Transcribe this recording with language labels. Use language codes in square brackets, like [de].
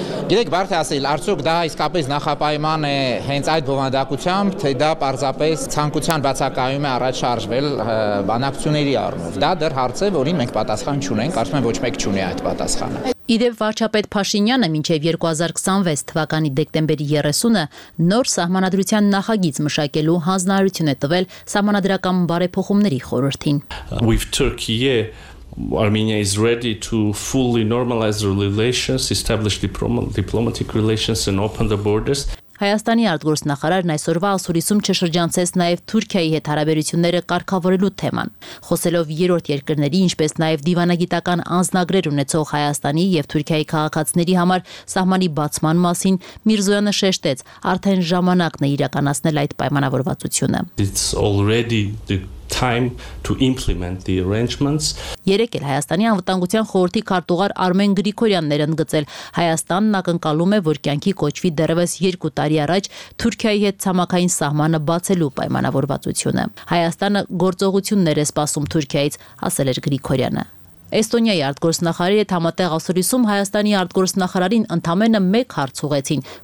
[hy] Գիտեք, բարդ է ասել, արդյոք դա իսկապես նախապայման է հենց այդ բովանդակությամբ, թե դա պարզապես ցանկության բացակայում է առաջարկվել բանակցությունների առումով։ Դա դեռ հարց է, որին մենք պատասխան չունենք, ասում եմ ոչ մեկ չունի այդ պատասխանը։ Իդեպ վարչապետ Փաշինյանը մինչև 2026 թվականի դեկտեմբերի 30-ը նոր սահմանադրության նախագիծ մշակելու հանձնարարություն է տվել սահմանադրական բարեփոխումների խորհրդին։ [en] With Turkey, Armenia is ready to fully normalize relations, establish diplomatic relations and open the borders. [hy] Հայաստանի արտգործնախարարն այսօրվա Ասուրիսում չշրջանցեց նաև Թուրքիայի հետ հարաբերությունները կարգավորելու թեման, խոսելով երրորդ երկրների, ինչպես նաև դիվանագիտական անձնագրեր ունեցող Հայաստանի և Թուրքիայի քաղաքացիների համար սահմանի բացման մասին, Միրզոյանը շեշտեց, արդեն ժամանակն է իրականացնել այդ պայմանավորվածությունը։ [en] It's already the time to implement the arrangements. [hy] Երեկ էլ Հայաստանի անվտանգության խորհրդի քարտուղար Արմեն Գրիգորյան ներընդգծել, Հայաստանն ակնկալում է, որ կյանքի կոչվի դեռևս 2 տարի առաջ Թուրքիայի հետ ցամաքային սահմանը բացելու պայմանավորվածությունը։ Հայաստանը գործողություններ է սպասում Թուրքիայից, ասել էր Գրիգորյանը։ Էստոնիայի արտգործնախարարի հետ համատեղ Ասուրիսում Հայաստանի արտգործնախարարին ընդամենը մեկ հարց ուղեցին.